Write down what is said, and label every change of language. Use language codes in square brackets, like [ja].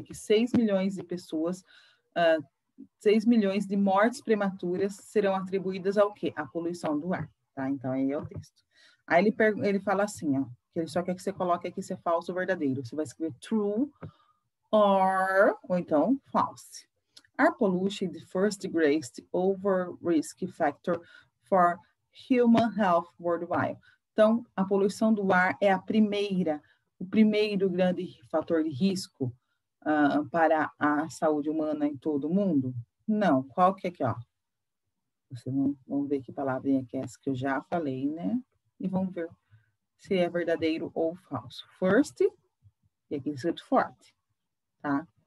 [pt] Que 6 milhões de pessoas, 6 milhões de mortes prematuras serão atribuídas ao quê? À poluição do ar, tá? Então, aí é o texto. Aí ele fala assim, ó. Que ele só quer que você coloque aqui se é falso ou verdadeiro. Você vai escrever [en] true or, [pt] ou então, false. [en] Air pollution, the first greatest over risk factor for human health worldwide. [pt] Então, a poluição do ar é a primeira, o primeiro grande fator de risco para a saúde humana em todo o mundo? Não. Qual que é aqui, ó? Vocês vão ver que palavrinha que é essa que eu já falei, né? E vão ver se é verdadeiro ou falso. First, e aqui escrito forte, tá?